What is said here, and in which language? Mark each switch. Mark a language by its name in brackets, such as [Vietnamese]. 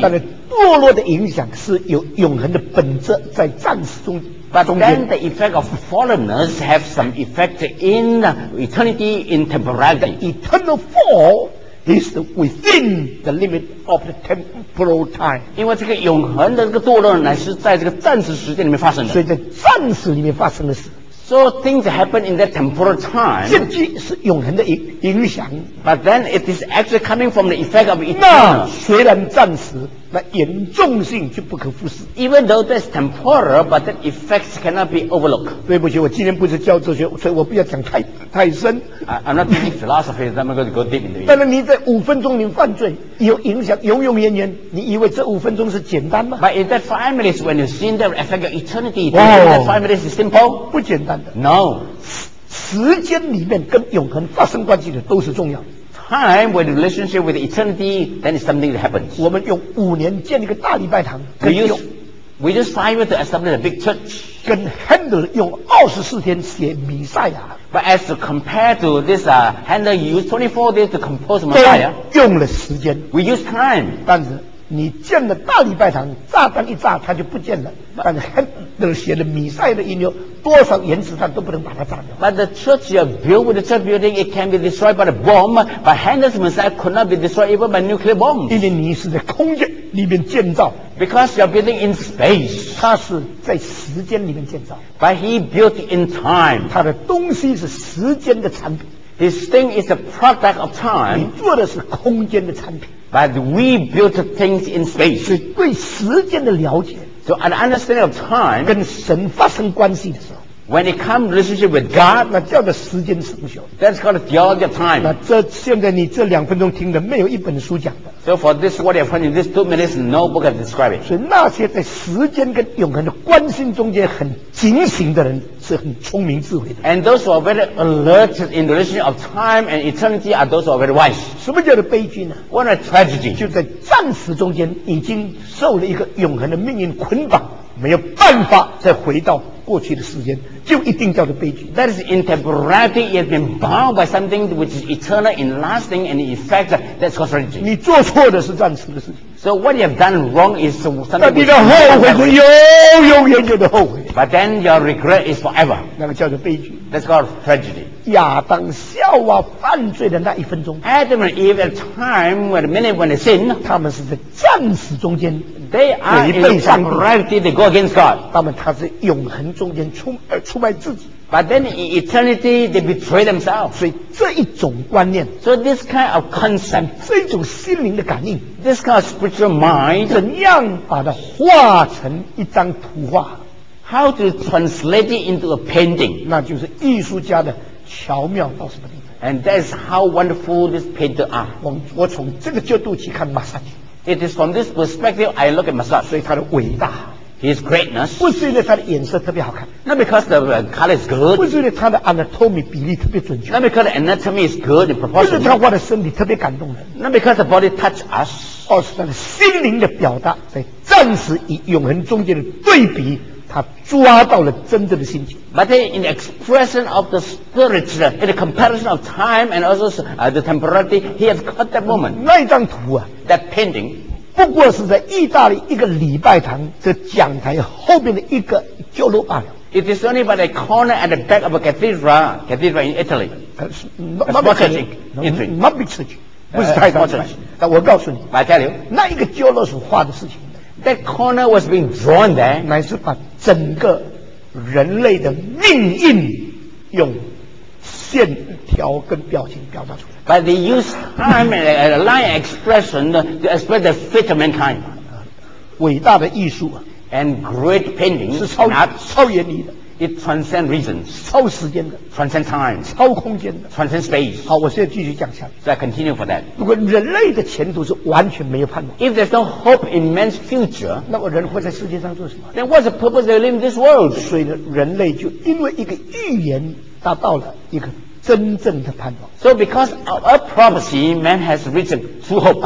[Chinese] 但是堕落的影响是有永恒的本质在暂时中 [English] But then the effect of fallenness have some effect in eternity, in temporality. The eternal fall is within the limit of the temporal time. [Chinese] 因为这个永恒的这个堕落呢，是在这个暂时时间里面发生的。所以在暂时里面发生的事。 [English] So things happen in that temporal time. [Chinese] 现在是永恒的影响。 [English] But then it is actually coming from the effect of eternal. [Chinese] 那虽然暂时。那严重性就不可忽视。 [English] Even though that's temporal, but that effects cannot be overlooked. [Chinese] 对不起，我今天不是教哲学，所以我不要讲太深。 [English] I'm not teaching philosophy, so I'm not going to go deep into it. [Chinese] 但是你在五分钟里犯罪，有影响，永永远远。你以为这五分钟是简单吗 [English] ？But in that 5 minutes, when you see that affect your eternity, that 5 minutes is simple. [Chinese] 不简单的。 [English] No. [Chinese] 时间里面跟永恒发生关系的都是重要。 [English] Time with relationship with eternity, then something happens. [Chinese] 我们用五年建一个大礼拜堂。 [English] We use 5 years to establish a big church. [Chinese] 跟 Handel 用24天写弥赛亚。 [English] But as to compare to this, Handel used 24 days to compose Messiah. [Chinese] 用了时间。 [English] We use time. [Chinese] 但是你建了大礼拜堂，炸弹一炸，它就不见了。但是 Handel 写的弥赛亚的音乐。多少原子弹都不能把它炸掉。 [English] But the church you build with the church building, it can be destroyed by a bomb. But Handel's Messiah could not be destroyed even by nuclear bomb. [Chinese] 因为你是在空间里面建造。 [English] Because you're building in space. [Chinese] 他是在时间里面建造。 [English] But he built in time. [Chinese] 他的东西是时间的产品。 [English] His thing is a product of time. [Chinese] 你做的是空间的产品。 [English] But we built things in space. [Chinese] 是对时间的了解。 [English] So an understanding of time [Chinese] 跟神发生关系的时候 [English] When it comes relationship with God, [Chinese] 那叫做时间成熟。 [English] That's called the theology of time. [Chinese] 那这现在你这两分钟听的没有一本书讲的。 [English] So for this what you're finding, this 2 minutes, no book has described it. [Chinese] 所以那些在时间跟永恒的关心中间很警醒的人是很聪明智慧的。 [English] And those who are very alert in the relationship of time and eternity are those who are very wise. [Chinese] 什么叫做悲剧呢 [English] ？What a tragedy. [Chinese] 就在暂时中间已经受了一个永恒的命运捆绑，没有办法再回到过去的时间。就一定叫做悲剧。 [English] That is in temporality, it has been bound by something which is eternal in lasting and effect. That's called tragedy. [Chinese] 你做错的是暂时的事情。 [English] So what you have done wrong is something. [Chinese] 那你的后悔是永永远远的后悔。 [English] But then your regret is forever. [Chinese] 那个叫做悲剧。 [English] That's called tragedy. [Chinese] 亚当夏娃犯罪的那一分钟。 [English] Adam and Eve at time when the minute when they sin, [Chinese] 他们是在暂时中间。 [English] They are in temporality. They go against God. [Chinese] 他们他是永恒中间出而出卖自己。 [English] But then in eternity, they betray themselves. [Chinese] 所以这一种观念。 [English] So this kind of concept. [Chinese] 这一种心灵的感应。 [English] This kind of spiritual mind. [Chinese] 怎样把它画成一张图画 [English] ？How to translate it into a painting? [Chinese] 那就是艺术家的巧妙到什么地步 [English] ？And that's how wonderful this painter are. [Chinese] 我从这个角度去看马赛。 [English] It is from this perspective I look at Masaj. [Chinese] 所以他的伟大 [English] His greatness. [Chinese] 不是因为他的颜色特别好看 [English] Not because the color is good. [Chinese] 不是因为他的 anatomy 比例特别准确 [English] Not because the anatomy is good in proportion. [Chinese] 不是他画的身体特别感动人 [English] Not because the body touch us. [Chinese] 而是他的心灵的表达在暂时与永恒中间的对比他抓到了真正的心情 [English] But then in the expression of the spirit in the comparison of time and also the temporality he has caught that moment [Chinese] 那一张图啊 [English] That painting [Chinese] 不过是在意大利一个礼拜堂这讲台后面的一个角落罢了 [English] It is only by the corner at the back of a cathedral in Italy not big church [Chinese] 不是太大的但我告诉你 [English] I tell you [Chinese] 那一个角落所画的事情 [English] That corner was being drawn there [Chinese] 乃是把整个人类的命运用线条跟表情表达出来。 [English] But they use time and line expression to express the fate of mankind. [Chinese] 伟大的艺术 [English] and great painting [Chinese] 是超原理的。 [English] It transcend reasons. [Chinese] 超时间的。 [English] Transcend time. [Chinese] 超空间的。 [English] Transcend space. [Chinese] 好，我现在继续讲下去。 [English] So I continue for that. [Chinese] 如果人类的前途是完全没有盼望。 [English] If there's no hope in man's future. [Chinese] 那我人会在世界上做什么 [English] ？Then what's the purpose of living this world? [Chinese] 所以呢，人类就因为一个预言达到了一个真正的盼望。 [English] So because of a prophecy, man has reached true hope.